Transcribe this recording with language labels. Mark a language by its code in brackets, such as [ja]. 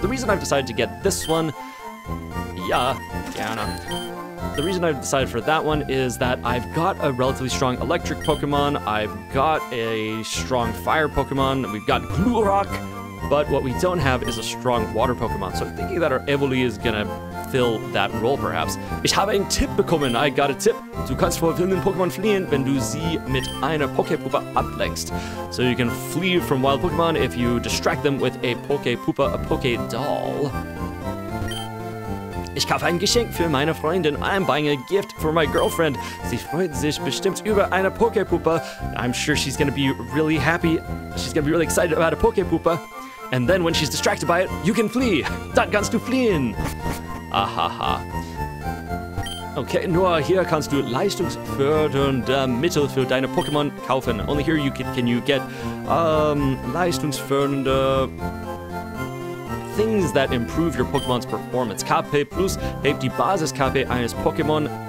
[en] The reason I've decided to get this one... The reason I've decided for that one is that I've got a relatively strong electric Pokemon, I've got a strong fire Pokemon, we've got Glurak, but what we don't have is a strong water Pokemon. So I'm thinking that our Evoli is gonna fill that role perhaps. [de] Ich habe einen Tipp bekommen, [en] I got a tip. [de] Du kannst vor wilden Pokemon fliehen, wenn du sie mit einer Poképuppe ablenkst. [en] So you can flee from wild Pokemon if you distract them with a Poképuppe, a Poké doll. [de] Ich kaufe ein Geschenk für meine Freundin. [en] I'm buying a gift for my girlfriend. [de] Sie freut sich bestimmt über eine Poképuppe. [en] I'm sure she's gonna be really happy. She's gonna be really excited about a Poképuppe. And then when she's distracted by it, you can flee. [de] Dann kannst du fliehen. Ahaha. Okay, nur hier kannst du leistungsfördernde Mittel für deine Pokémon kaufen. [en] Only here you can you get leistungsfördernde... things that improve your Pokémon's performance. [de] KP Plus hebt die Basis KP eines Pokémon.